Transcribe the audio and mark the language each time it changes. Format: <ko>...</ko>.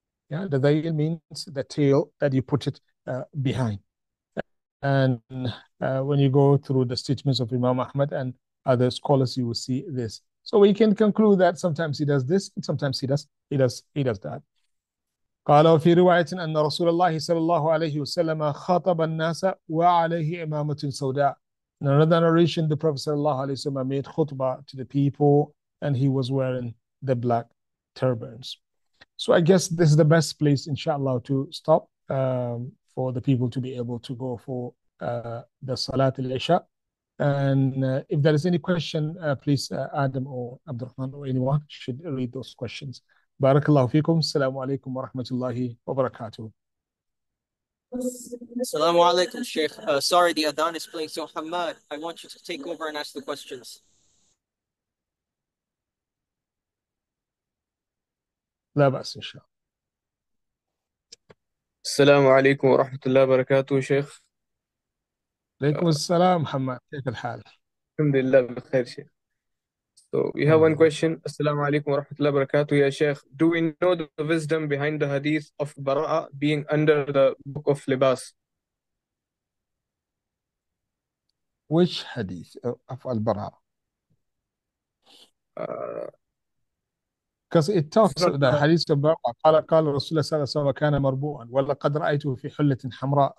<en>Yeah, the veil means the tail that you put it behind. And when you go through the statements of Imam Ahmad and other scholars, you will see this. So we can conclude that sometimes he does this, and sometimes he does that.</en> <ar>قال وفي رواية أن رسول الله صلى الله عليه وسلم خطب الناس وعليه إمامة سوداء.</ar> <en>In another narration, the Prophet</en> <ar>صلى الله عليه وسلم</ar> <en>made khutbah to the people and he was wearing the black turbans. So I guess this is the best place, inshallah, to stop for the people to be able to go for the Salat al-Isha. And if there is any question, please, Adam or Abdurrahman or anyone should read those questions. Barakallahu feekum. Assalamu alaikum wa rahmatullahi wa barakatuh. Assalamu alaikum, Sheikh. Sorry, the Adhan is playing. So, Hamad, I want you to take over and ask the questions.</en> <ar>لا بأس إن شاء الله. السلام عليكم ورحمة الله وبركاته شيخ. عليكم السلام محمد, كيف الحال؟ الحمد لله بخير شيخ.</ar> <en>So we have one question.</en> <ar>السلام عليكم ورحمة الله وبركاته يا شيخ.</ar> <en>Do we know the wisdom behind the hadith of براءة being under the book of لباس؟ Which hadith of البراءة؟ Because it talks about the hadith of Baqa.</en> <ar>قال قال رسول الله صلى الله عليه وسلم كان مربوعا ولقد رأيته في حلة حمراء.</ar>